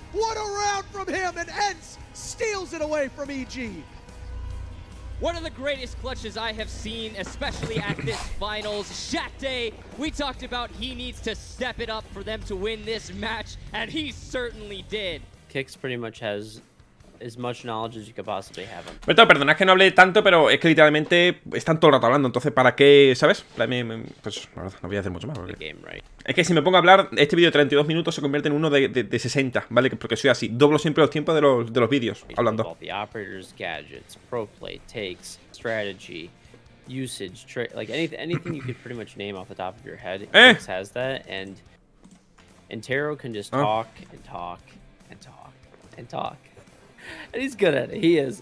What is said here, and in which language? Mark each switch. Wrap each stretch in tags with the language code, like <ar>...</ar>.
<en>What a round from him! And Entz steals it away from EG. One of the greatest clutches I have seen, especially at this finals. Shantae, we talked about he needs to step it up for them to win this match, and he certainly did. Kix pretty much has as much knowledge as you could possibly have.</en> <es>Beto, perdona, es que no hablé tanto, pero es que literalmente están todo el rato hablando, entonces para qué, ¿sabes? Pues no voy a hacer mucho más. Porque...</es> <en>game, right.</en> <es>Es que si me pongo a hablar, este vídeo de 32 minutos se convierte en uno de 60, ¿vale? Porque soy así, doblo siempre los tiempos de los vídeos hablando.</es> <en>The operators, gadgets, pro play, takes, strategy, usage, like anything you could pretty much name off the top of your head, Kix has that, and Intero can just talk and talk and talk and talk. And he's good at it. He is.</en>